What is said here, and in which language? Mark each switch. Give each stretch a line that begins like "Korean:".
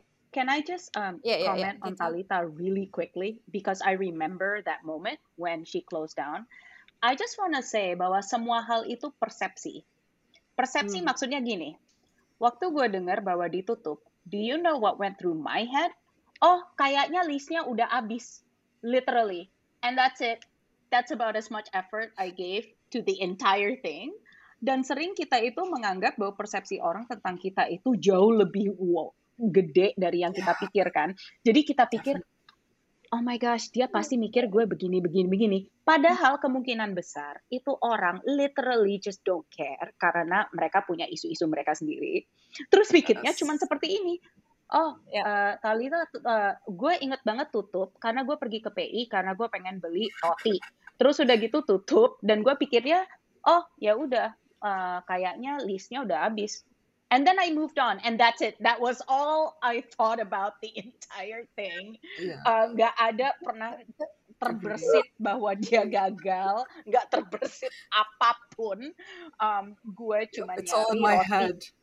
English: Can I just comment on Talita really quickly? Because I remember that moment when she closed down. I just want to say
Indonesian: bahwa semua hal itu persepsi. Persepsi maksudnya gini. Waktu gue dengar bahwa ditutup,
English: do you know what went through my head?
Indonesian: Oh, kayaknya listnya udah abis.
English: Literally. And that's it. That's about as much effort I gave to the entire thing.
Indonesian: Dan sering kita itu menganggap bahwa persepsi orang tentang kita itu jauh lebih gede dari yang kita pikirkan. Jadi kita pikir,
English: oh my gosh,
Indonesian: dia pasti mikir gue begini, begini, begini. Padahal kemungkinan besar itu orang
English: literally just don't care
Indonesian: karena mereka punya isu-isu mereka sendiri. Terus pikirnya cuma seperti ini. Oh, Talita, gue inget banget tutup karena gue pergi ke PI karena gue pengen beli roti. Terus udah gitu tutup dan gue pikirnya, oh ya udah, kayaknya listnya udah habis.
English: And then I moved on, and that's it. That was all I thought about the entire thing.
Indonesian: Gak ada pernah terbersit bahwa dia gagal. Gak terbersit apapun. Gue cuma nyari roti.
English: It's all in my head.